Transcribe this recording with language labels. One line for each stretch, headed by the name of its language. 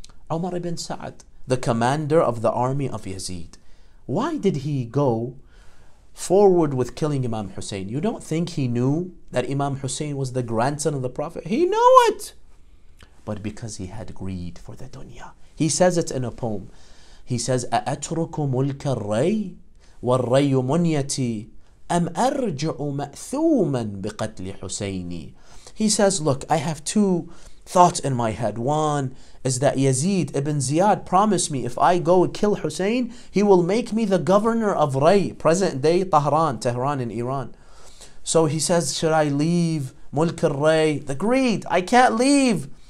English: Umar ibn Sa'd, the commander of the army of Yazid, why did he go forward with killing Imam Hussein? You don't think he knew that Imam Hussein was the grandson of the Prophet? He knew it! But because he had greed for the dunya. He says it in a poem. He says,
Arabic: أَأَتْرُكُ مُلْكَ الرَّيِّ وَالرَّيُّ مُنْيَتِي أَمْ أَرْجِعُ مَأْثُومًا بِقَتْلِ حُسَيْنِي.
English: He says, look, I have two thoughts in my head. One is that Yazid ibn Ziyad promised me if I go kill Hussein, he will make me the governor of Ray, present day Tehran, Tehran in Iran. So he says, should I leave Mulk al-Ray? The greed, I can't leave.